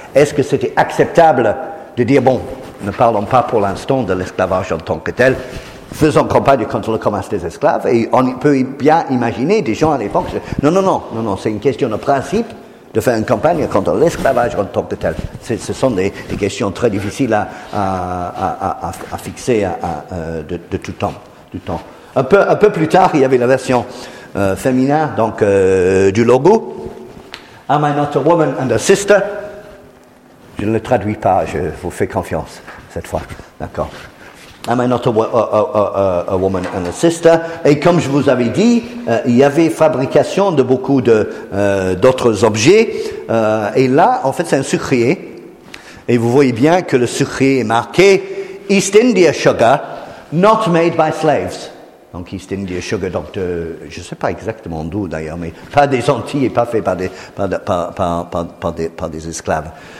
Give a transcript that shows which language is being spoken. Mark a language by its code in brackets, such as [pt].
[fr] Est-ce que c'était acceptable de dire, bon, ne parlons pas pour l'instant de l'esclavage en tant que tel, faisons campagne contre le commerce des esclaves, et on peut bien imaginer des gens à l'époque, non, c'est une question de principe de faire une campagne contre l'esclavage en tant que tel. Ce sont des questions très difficiles à fixer de tout temps. Un peu plus tard, il y avait la version... féminin, donc du logo. [en] Am I not a woman and a sister? [fr] Je ne le traduis pas, je vous fais confiance cette fois, d'accord. [en] Am I not a woman and a sister? [fr] Et comme je vous avais dit, il y avait fabrication de beaucoup d'autres objets. Et là, en fait, c'est un sucrier. Et vous voyez bien que le sucrier est marqué East India Sugar, [en] not made by slaves. [fr] Donc, East India Sugar, donc je ne sais pas exactement d'où d'ailleurs, mais pas des Antilles et pas fait par des esclaves.